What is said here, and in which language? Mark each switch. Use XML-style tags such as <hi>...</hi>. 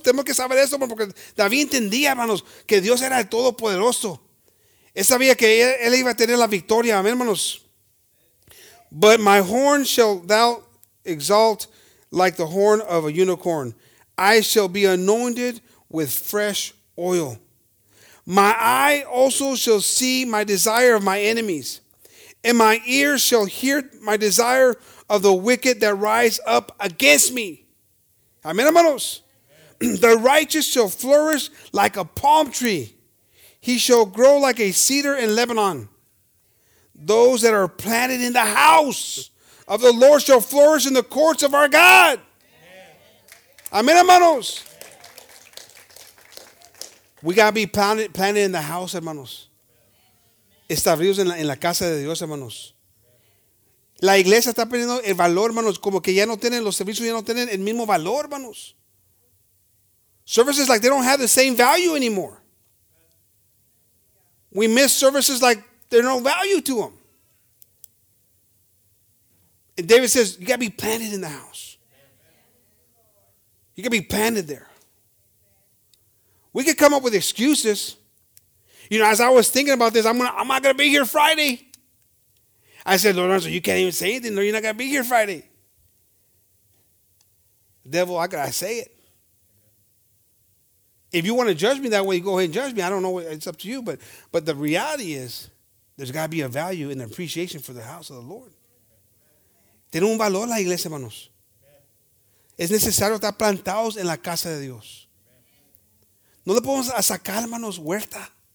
<es>Tenemos que saber esto porque David entendía, hermanos, que Dios era el Todopoderoso. Él sabía que él iba a tener la victoria, amén, hermanos.</es> <en>But my horn shall thou exalt like the horn of a unicorn. I shall be anointed with fresh oil. My eye also shall see my desire of my enemies. And my ear shall hear my desire of the wicked that rise up against me. Amén, hermanos. The righteous shall flourish like a palm tree. He shall grow like a cedar in Lebanon. Those that are planted in the house of the Lord shall flourish in the courts of our God. Amen, hermanos. We got to be planted in the house, hermanos.</en> <es>Establecidos en la casa de Dios, hermanos. La iglesia está perdiendo el valor, hermanos. Como que ya no tienen los servicios, ya no tienen el mismo valor, hermanos.</es> <en>Services, like they don't have the same value anymore. We miss services like there's no value to them. And David says, you got to be planted in the house. You got to be planted there. We could come up with excuses. You know, as I was thinking about this, I'm not going to be here Friday. I said, Lorenzo, you can't even say anything. No, you're not going to be here Friday. Devil, I got to say it. If you want to judge me that way, go ahead and judge me. I don't know. It's up to you. But the reality is, there's got to be a value and appreciation for the house of the Lord.</en> <es>Tiene un valor la iglesia, hermanos. Es necesario estar plantados en la casa de Dios. No le podemos sacar, hermanos, huerta</es>